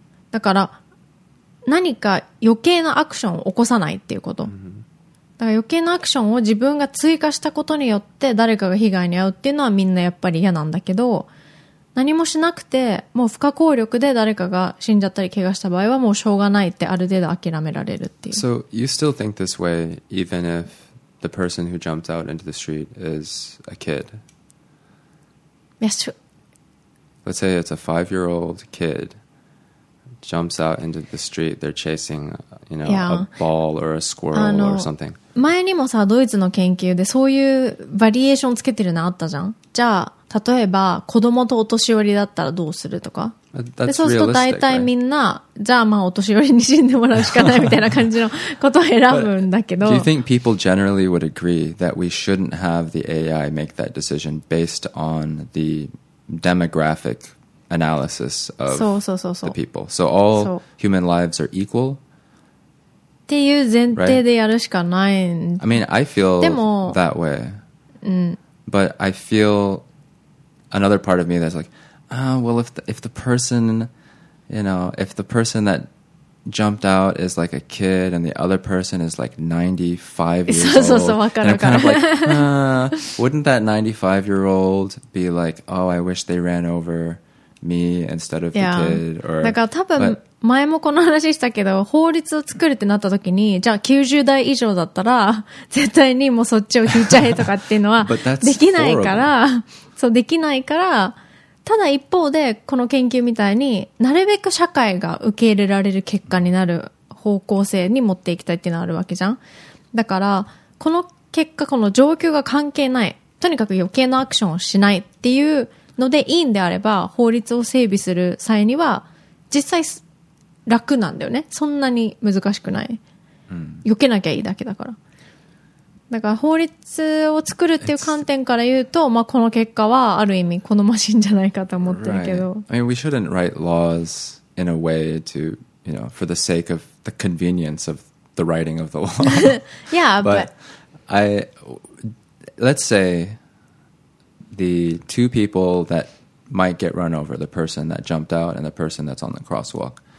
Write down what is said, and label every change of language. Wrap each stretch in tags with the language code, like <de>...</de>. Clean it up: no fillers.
<ja>だから何か余計なアクションを起こさないっていうこと、だから余計なアクションを自分が追加したことによって誰かが被害に遭うっていうのはみんなやっぱり嫌なんだけど、何もしなくてもう不可抗力で誰かが死んじゃったり怪我した場合はもうしょうがないってある程度諦められるっていう。</ja> <en>So you still think this way even if the person who jumped out into the street is a kid? Yes, true. Let's say it's a five-year-old kid jumps out into the street. They're chasing, you know, a ball or a squirrel or something.</en> <ja>前にもさ、ドイツの研究でそういうバリエーションつけてるのあったじゃん。じゃあ、例えば子供とお年寄りだったらどうするとか。で、そうすると大体みんな、じゃあまあお年寄りに死んでもらうしかないみたいな感じのことを選ぶんだけど。</ja> <en>But, do you think people generally would agree that we shouldn't have the AI make that decision based on the demographic analysis of the people? So all human lives are equal?</en> <ja>っていう前提でやるしかないん、</ja> <en>right. I mean, I feel that way.、</en> <ja>うん、</ja> <en>But I feel another part of me that's like,、well, if the person, you know, if the person that jumped out is like a kid and the other person is like 95 years old,</en> <ja>そう、</ja> <en>and I'm kind of like,、wouldn't that 95-year-old be like, oh, I wish they ran over me instead of、yeah. the kid? Or,</en> <ja>だから多分</ja> <en>but,</en> <ja>前もこの話したけど、法律を作るってなった時に、じゃあ90代以上だったら、絶対にもうそっちを引いちゃえとかっていうのは、できないから、そう、できないから、ただ一方で、この研究みたいになるべく社会が受け入れられる結果になる方向性に持っていきたいっていうのはあるわけじゃん。だから、この結果、この状況が関係ない。とにかく余計なアクションをしないっていうのでいいんであれば、法律を整備する際には、実際、楽なんだよね。そんなに難しくない。避けなきゃいいだけだから。だから法律を作るっていう観点から言うと、まあこの結果はある意味好ましいんじゃないかと思ってるけど。</ja> <en>Right. I mean, we shouldn't write laws in a way to, you know, for the sake of the convenience of the writing of the law. yeah, but I let's say the two people that might get run over, the person that jumped out and the person that's on the crosswalk.</en>